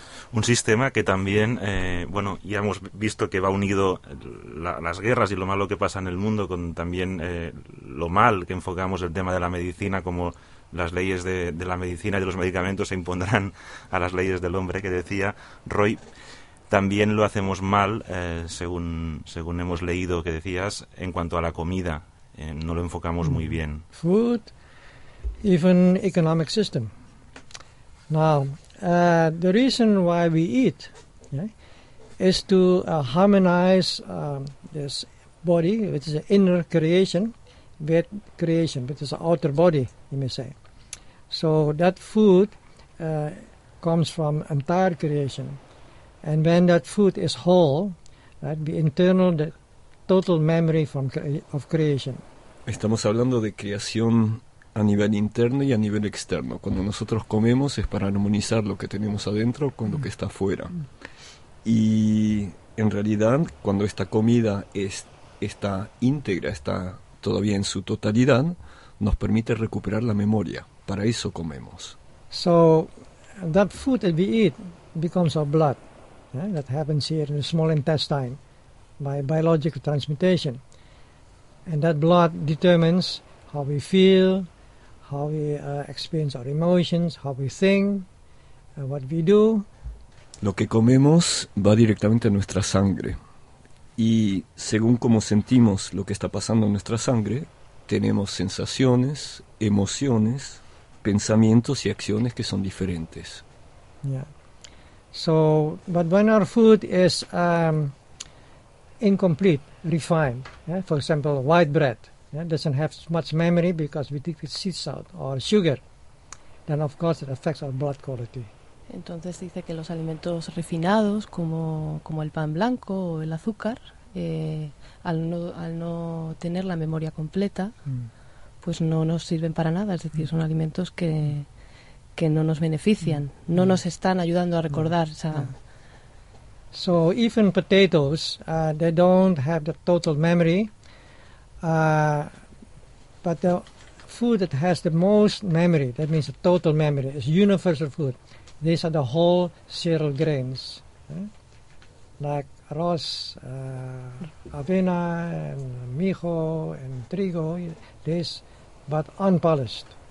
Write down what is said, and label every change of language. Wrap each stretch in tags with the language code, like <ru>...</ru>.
<es>Un sistema que también, bueno, ya hemos visto que va unido las guerras y lo malo que pasa en el mundo con también lo mal que enfocamos el tema de la medicina, como las leyes de la medicina y de los medicamentos se impondrán a las leyes del hombre, que decía Roy. También lo hacemos mal, según hemos leído que decías, en cuanto a la comida, no lo enfocamos muy bien.</es> <en>Food, even economic system. Now, the reason why we eat is to harmonize this body, which is an inner creation, with creation, which is an outer body, you may say. So that food comes from entire creation. And when that food is whole, right, we internal the total memory from of creation.</en> <es>Estamos hablando de creación a nivel interno y a nivel externo. Cuando nosotros comemos es para armonizar lo que tenemos adentro con lo que está afuera. Y en realidad, cuando esta comida está íntegra, está todavía en su totalidad, nos permite recuperar la memoria. Para eso comemos.</es> <en>So, that food that we eat becomes our blood. Yeah? That happens here in the small intestine by biological transmutation. And that blood determines how we feel, how we experience our emotions, how we think, what we do.</en> <es>Lo que comemos va directamente a nuestra sangre. Y según cómo sentimos lo que está pasando en nuestra sangre, tenemos sensaciones, emociones, pensamientos y acciones que son diferentes.</es> <en>Yeah. So, but when our food is incomplete, refined, yeah? For example, white bread, yeah? Doesn't have much memory because we take the seeds out, or sugar, then of course it affects our blood quality.</en> <es>Entonces dice que los alimentos refinados, como el pan blanco o el azúcar, al no tener la memoria completa, pues no nos sirven para nada. Es decir, son alimentos que no nos benefician, no nos están ayudando a recordar. O sea,</es> <en>so even potatoes, they don't have the total memory, but the food that has the most memory, that means the total memory, is universal food. These are the whole cereal grains, like arroz, avena, and mijo, and trigo, this, but unpolished.</en>